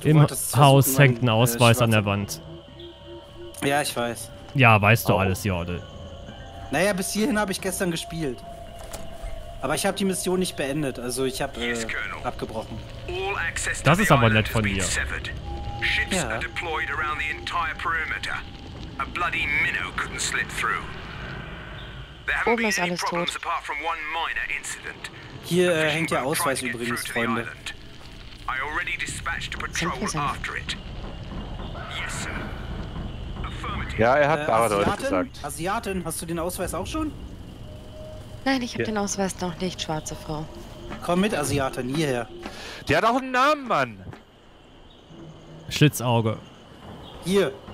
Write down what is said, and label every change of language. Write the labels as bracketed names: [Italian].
[German] Im Haus hängt ein Ausweis an der Wand. Ja, ich weiß. Ja, weißt du alles, Jordel. Naja, bis hierhin habe ich gestern gespielt. Aber ich habe die Mission nicht beendet, also ich habe abgebrochen. Das ist aber nett von dir. [English] Ships are deployed around the entire perimeter. A bloody minnow couldn't slip through. There haven't been any problems apart from one minor incident. [German] Hier hängt der Ausweis übrigens, Freunde. [English] I already dispatched a patrol after it. Yes, sir. Affirmative. [German] Ja, er hat Baradol gesagt. Asiatin, hast du den Ausweis auch schon? Nein, ich habe den Ausweis noch nicht, schwarze Frau. Komm mit, Asiatin, hierher. Die hat auch einen Namen, Mann. Schlitzauge. Hier.